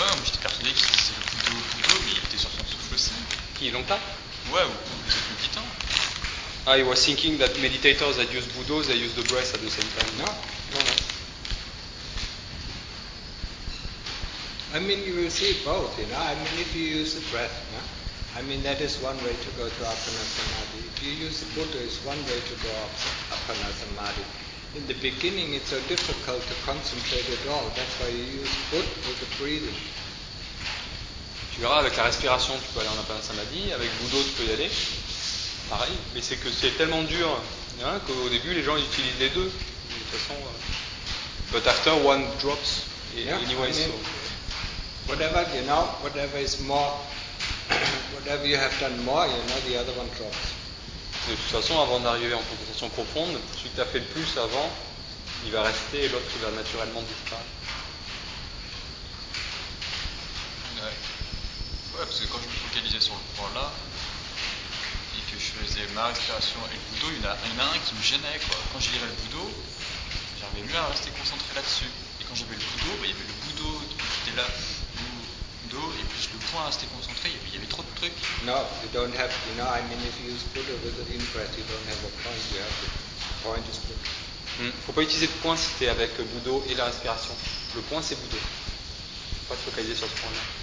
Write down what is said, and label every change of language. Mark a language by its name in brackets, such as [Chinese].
[French] Ouais, moi j'étais persuadé qu'il faisait le Buddha au Buddha, mais il était sur son souffle aussi. Qui, long time? Ouais, ou les autres méditants. [English] I was thinking that meditators that use Buddha, they use the breath at the same time. No, no, no. I mean, you will see both, you know. I mean, if you use the breath, no? I mean, that is one way to go to Apanasamadhi. If you use the Buddha, it's one way to go up Apanasamadhi. In the beginning, it's so difficult to concentrate at all. That's why you use Buddha with the breathing. [French] Tu verras, avec la respiration, tu peux aller en Apanasamadhi. Avec Buddha, tu peux y aller. Pareil, mais c'est que c'est tellement dur, hein, qu'au début les gens utilisent les deux. De toute façon, [English] but after one drops, anyway. I mean, so whatever you know, whatever is more, whatever you have done more, you know, the other one drops. [French] De toute façon, avant d'arriver en concentration profonde, celui que tu as fait le plus avant, il va rester et l'autre va naturellement disparaître. Ouais, parce que quand je me focalisais sur le point là. Que je faisais ma respiration et le Buddha, il y en a un qui me gênait quoi. Quand j'y avais le Buddha, j'arrivais mieux à rester concentré là-dessus. Et quand j'avais le Buddha, bah, il y avait le Buddha qui était là, le Buddha, et plus le point à rester concentré, il y avait trop de trucs. [English] No, you don't have, you know, I mean if you use Buddha with the in-breath, you don't have a point, you have the point is Buddha. [French] Faut pas utiliser de point si t'es avec Buddha et la respiration. Le point c'est Buddha. Faut pas se focaliser sur ce point là.